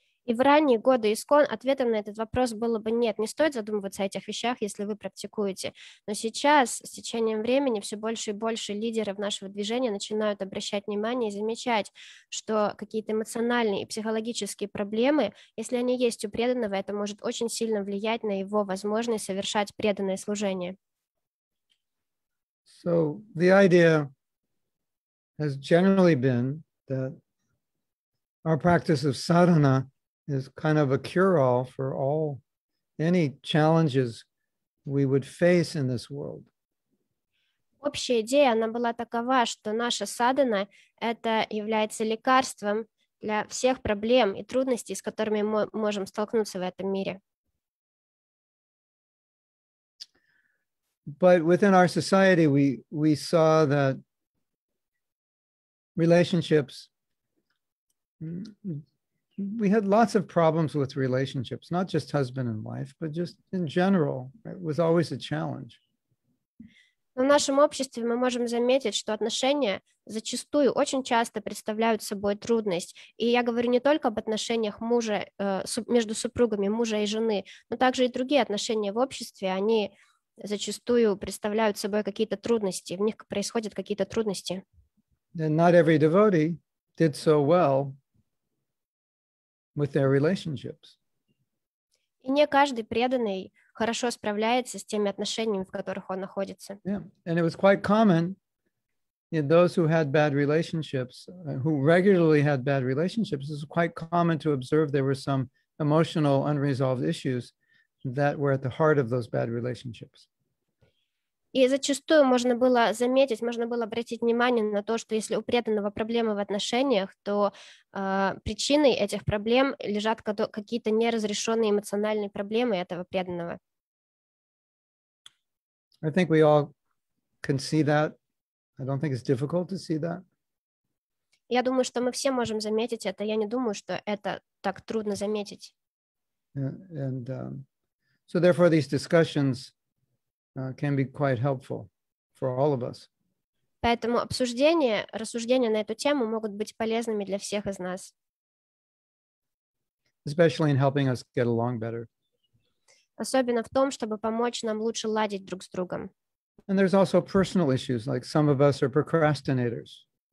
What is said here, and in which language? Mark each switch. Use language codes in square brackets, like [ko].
[ru] И в ранние годы ИСКОН ответом на этот вопрос было бы нет, не стоит задумываться о этих вещах, если вы практикуете. Но сейчас, с течением времени, все больше и больше лидеров нашего движения начинают обращать внимание и замечать, что какие-то эмоциональные и психологические проблемы, если они есть у преданного, это может очень сильно влиять на его возможность совершать преданное служение. [en] So the idea has generally been that our practice of sadhana is kind of a cure-all for all any challenges we would face in this world. [ru] Общая идея, она была такова, что наша садхана это является лекарством для всех проблем и трудностей, с которыми мы можем столкнуться в этом мире. [en] But within our society, we saw that relationships. We had lots of problems with relationships, not just husband and wife, but just in general. It was always a challenge. [ru] В нашем обществе мы можем заметить, что отношения зачастую очень часто представляют собой трудность. И я говорю не только об отношениях мужа между супругами, мужа и жены, но также и другие отношения в обществе, они зачастую представляют собой какие-то трудности, в них происходят какие-то трудности. [en] And not every devotee did so well with their relationships. [ru] И не каждый преданный хорошо справляется с теми отношениями, в которых он находится. [en] Yeah. And it was quite common in those who had bad relationships, who regularly had bad relationships, it was quite common to observe there were some emotional unresolved issues that were at the heart of those bad relationships. [ru] И зачастую можно было заметить, можно было обратить внимание на то, что если у преданного проблемы в отношениях, то причиной этих проблем лежат какие-то неразрешенные эмоциональные проблемы этого преданного. [en] I think we all can see that I don't think it's difficult to see that. [ru] Я думаю, что мы все можем заметить это. Я не думаю, что это так трудно заметить. [en] And so therefore these discussions can be quite helpful for all of us. [ru] Поэтому обсуждения, рассуждения на эту тему могут быть полезными для всех из нас. [en] Especially in helping us get along better. [ru] Особенно в том, чтобы помочь нам лучше ладить друг с другом. [en] And there's also personal issues, like some of us are procrastinators.